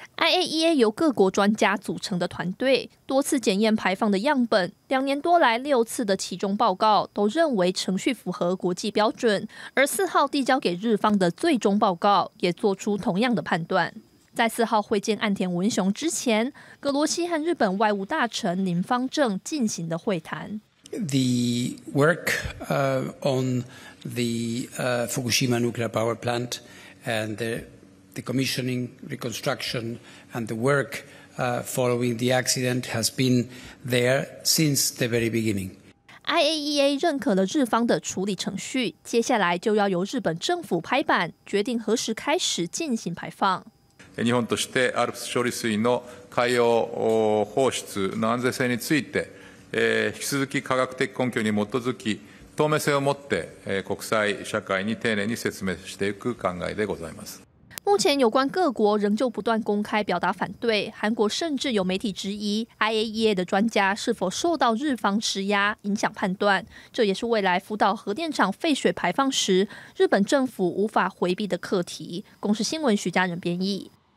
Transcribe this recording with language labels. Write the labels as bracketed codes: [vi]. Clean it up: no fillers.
[zh] IAEA 由各国专家组成的团队，多次检验排放的样本，2年多来6次的其中报告都认为程序符合国际标准，而4号递交给日方的最终报告也做出同样的判断。在4号会见岸田文雄之前，葛罗西和日本外务大臣林方正进行的会谈。 [en] The work on the Fukushima nuclear power plant and the commissioning, reconstruction, and the work following the accident has been there since the very beginning. [zh] IAEA 认可了日方的处理程序，接下来就要由日本政府拍板，决定何时开始进行排放。 [ja] 日本としてアルプス処理水の海洋放出の安全性について、引き続き科学的根拠に基づき透明性を持って、国際社会に丁寧に説明していく考えでございます。 [zh] 目前有关各国仍旧不断公开表达反对，韩国甚至有媒体质疑 IAEA 的专家是否受到日方施压影响判断，这也是未来福岛核电厂废水排放时日本政府无法回避的课题。公视新闻徐家人编译。